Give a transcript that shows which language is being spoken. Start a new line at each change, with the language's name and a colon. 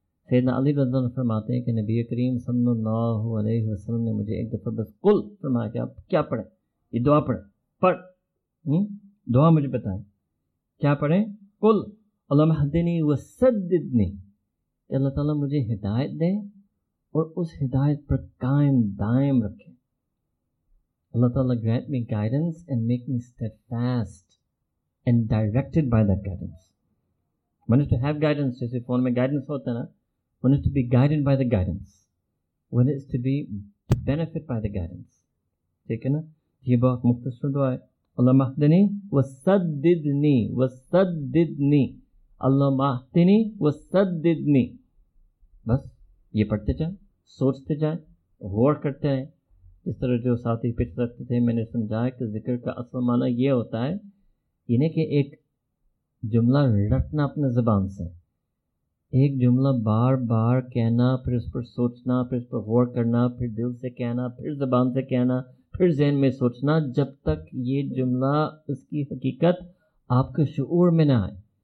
Urdu: سیدنا علی رضی اللہ عنہ فرماتے ہیں کہ نبی کریم صلی اللہ علیہ وسلم نے مجھے ایک دفعہ بس قل فرمایا کہ آپ کیا پڑھیں, یہ دعا پڑھیں, پڑھ دعا مجھے بتائیں کیا پڑھیں,
Arabic: قل اللہم اہدنی وسددنی,
Urdu: کہ اللہ تعالیٰ مجھے ہدایت دیں اور اس ہدایت پر قائم دائم رکھیں, اللہ تعالیٰ
English: grant me guidance and make me steadfast and directed by that guidance. One is to have guidance,
Urdu: جیسے فون میں گائیڈنس ہوتا ہے نا,
English: one is to be guided by the guidance, one is to be to benefit by the guidance.
Urdu: ٹھیک ہے نا, یہ بہت مختصر دعا ہے.
Arabic: اللہم اہدنی وسددنی وسددنی, اللہم اہدنی وسددنی,
Urdu: بس یہ پڑھتے جائیں, سوچتے جائیں, غور کرتے ہیں. اس طرح جو ساتھی پچھلے ہفتے تھے میں نے سمجھایا کہ ذکر کا اصل معنی یہ ہوتا ہے, یعنی کہ ایک جملہ رٹنا اپنے زبان سے, ایک جملہ بار بار کہنا, پھر اس پر سوچنا, پھر اس پر غور کرنا, پھر دل سے کہنا, پھر زبان سے کہنا, پھر ذہن میں سوچنا, جب تک یہ جملہ اس کی حقیقت آپ کے شعور میں نہ آئے.